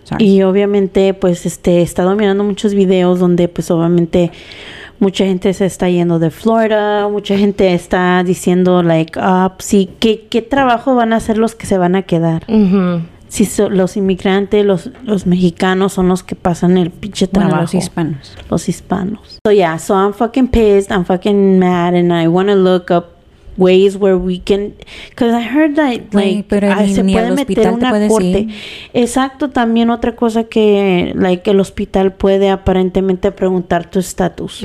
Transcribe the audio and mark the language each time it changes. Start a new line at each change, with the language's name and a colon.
English: Sorry.
Spanish: Y obviamente, pues, he estado mirando muchos videos donde, pues, obviamente, mucha gente se está yendo de Florida. Mucha gente está diciendo, like, sí, ¿qué trabajo van a hacer los que se van a quedar? Si los inmigrantes, los mexicanos son los que pasan el pinche trabajo. Bueno, los hispanos.
English: So yeah, so I'm fucking pissed, I'm fucking mad, and I want to look up ways where we can, because I heard that, like,
Spanish: se puede meter una corte. Exacto, también otra cosa que, like, el hospital puede aparentemente preguntar tu estatus.